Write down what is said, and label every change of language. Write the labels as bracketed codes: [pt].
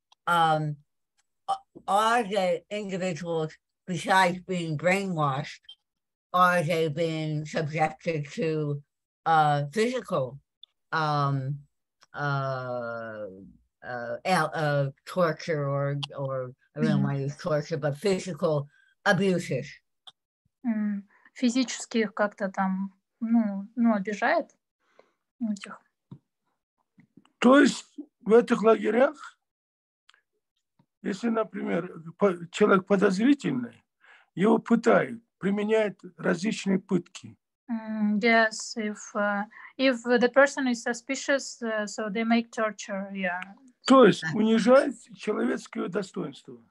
[en] Are the individuals, besides being brainwashed, are they being subjected to physical torture or I don't want to use torture, but physical abuses. [ru] Физически как-то там, обижает этих. То есть в этих лагерях, если, например, человек подозрительный, его пытают, применяют различные пытки. [en] Yes, if the person is suspicious, so they make torture, yeah. [ru] То есть унижает человеческое достоинство.